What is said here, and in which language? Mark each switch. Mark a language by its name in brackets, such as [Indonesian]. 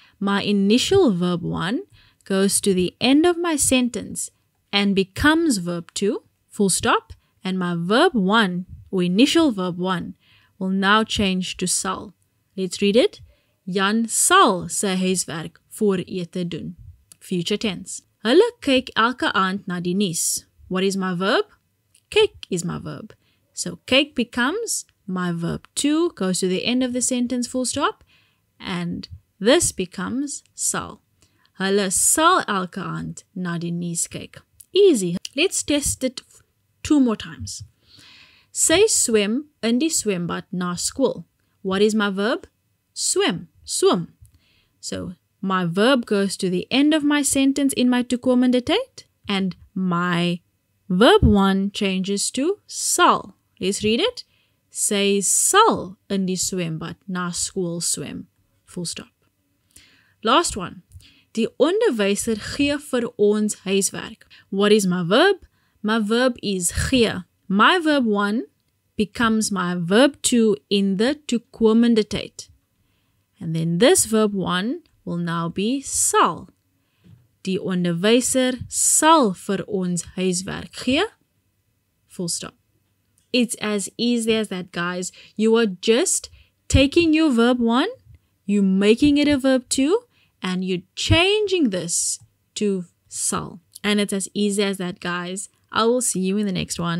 [English] My initial verb 1 goes to the end of my sentence and becomes verb 2, full stop, and my verb 1, or initial verb 1, will now change to sal. Let's read it. [Afrikaans] Jan sal sy huiswerk voor ete doen. [English] Future tense. [Afrikaans] Hulle kyk elke aand na die nuus. [English] What is my verb? Kyk is my verb. So kyk becomes my verb 2, goes to the end of the sentence, full stop, and this becomes sal. [Afrikaans] Hulle sal elke aand na die nuus kyk. [English] Easy. Let's test it 2 more times. [Afrikaans] Sy swem in die swembad na skool. [English] What is my verb? Swem. Swem. So my verb goes to the end of my sentence in my Toekomende Tyd. And my verb 1 changes to sal. Let's read it. [Afrikaans] Sy sal in die swembad na skool swem. [English] Full stop. Last one. [Afrikaans] Die onderwyser gee vir ons huiswerk. [English] What is my verb? My verb is gee. My verb 1 becomes my verb 2 in the Toekomende Tyd. And then this verb 1 will now be sal. [Afrikaans] Die onderwyser sal vir ons huiswerk gee. [English] Full stop. It's as easy as that, guys. You are just taking your verb 1, you making it a verb 2, and you're changing this to sal. And it's as easy as that, guys. I will see you in the next one.